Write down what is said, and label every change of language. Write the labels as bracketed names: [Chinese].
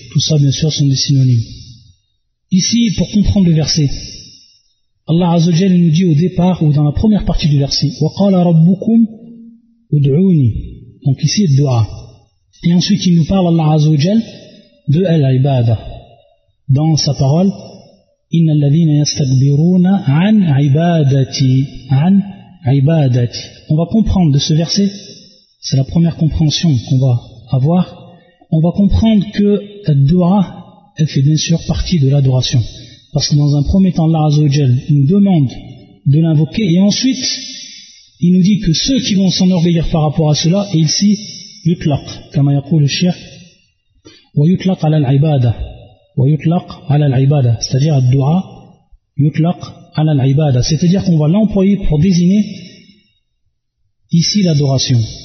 [French] Tout ça bien sûr sont des synonymes. Ici, pour comprendre le verset, Allah Azza wa Jal nous dit au départ ou dans la première partie du verset [Arabic] wa qala rabbukum ud'uni, [French] donc ici le dua, et ensuite il nous parle Allah Azza wa Jal de al-ibada dans sa parole. [Arabic] إن الذين يستكبرون عن عبادتي عن عبادتي. [French] On va comprendre de ce verset, c'est la première compréhension qu'on va avoir. On va comprendre que la dua, elle fait bien sûr partie de l'adoration. Parce que dans un premier temps, Allah Azzawajal nous demande de l'invoquer, et ensuite, il nous dit que ceux qui vont s'enorgueillir par rapport à cela, et ici, yutlaq, comme yaqul le shirk, [Arabic] wa yutlaq ala al-ibada, [French] wa yutlaq ala al-ibada, c'est-à-dire al-dua, yutlaq ala al-ibada, c'est-à-dire qu'on va l'employer pour désigner ici l'adoration.